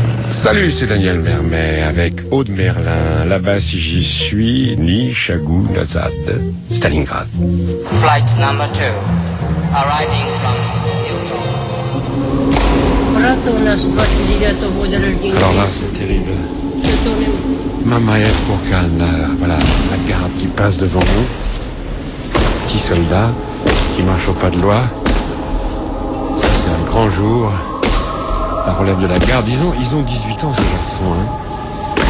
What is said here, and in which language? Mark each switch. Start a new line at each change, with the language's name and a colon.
French: Salut, c'est Daniel Mermet avec Aude Merlin. Là-bas, si j'y suis,
Russian: Nishagou Nazad,
French: Stalingrad.
English: Flight number 2, arriving from New York.
French: Alors là, c'est terrible. Mamaev Kourgan, voilà, la garde qui passe devant nous. petit soldat qui marche au pas de loi. Ça, c'est un grand jour. La relève de la garde, ils ont 18 ans, ces garçons. Hein.